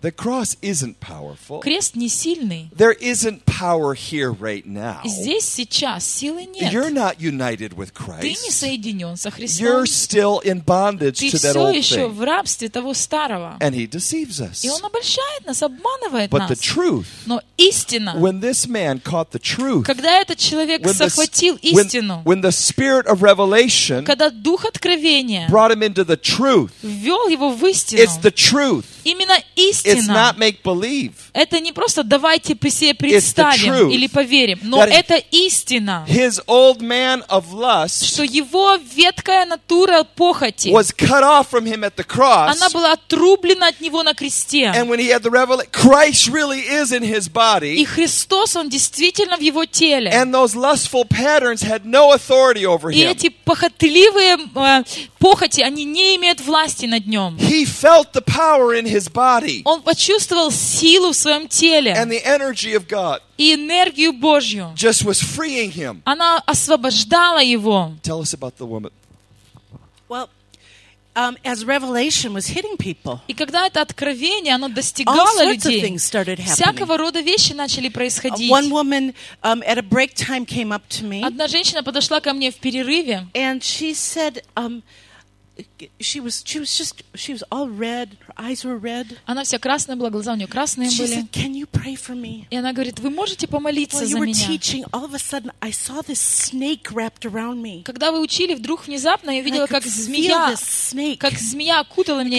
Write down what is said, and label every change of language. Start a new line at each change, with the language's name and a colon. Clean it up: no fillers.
English: The cross isn't powerful.
Russian: Крест не сильный.
English: There isn't power. power here right now.
Russian: Здесь сейчас силы нет.
English: You're not united with Christ.
Russian: Ты не соединен со Христом.
English: You're still in bondage to that old thing.
Russian: Ты все еще в рабстве того старого.
English: And he deceives us.
Russian: И он обольщает нас, обманывает
English: But
Russian: нас.
English: The truth,
Russian: Но истина.
English: When this man caught the truth,
Russian: когда этот человек захватил истину.
English: When the spirit of revelation,
Russian: когда дух откровения.
English: Brought him into the truth.
Russian: Ввел его в истину.
English: It's the truth.
Russian: Именно истина.
English: It's not make believe.
Russian: Это не просто давайте себе представим или поверим, но это истина,
English: his old man of lust,
Russian: что его веткая натура похоти
English: was cut off from him at the cross,
Russian: она была отрублена от него на кресте.
English: And when he had the Christ really is in his body,
Russian: и Христос, он действительно в его теле.
English: And those lustful patterns had no authority over him.
Russian: И эти похотливые похоти, они не имеют власти над нем.
English: He felt the power in his body.
Russian: Он почувствовал силу в своем теле.
English: And the energy of God.
Russian: И энергию Божью.
English: Just was freeing him.
Russian: Она освобождала его.
English: Tell us about the woman. Well, as revelation was hitting people.
Russian: И когда это откровение, оно достигало людей.
English: All sorts of things started happening.
Russian: Всякого рода вещи начали происходить.
English: One woman at a break time came up to me.
Russian: Одна женщина подошла ко мне в перерыве.
English: And she said, She was all red. Her eyes were red.
Russian: Она вся красная была, глаза у нее красные
English: she
Russian: были.
English: She said, "Can you pray for me?"
Russian: И она говорит, вы можете помолиться
English: well,
Russian: за меня?
English: You were teaching. All of a sudden, I saw this snake wrapped around me.
Russian: Когда вы учили, вдруг внезапно я видела, как змея, окутала меня.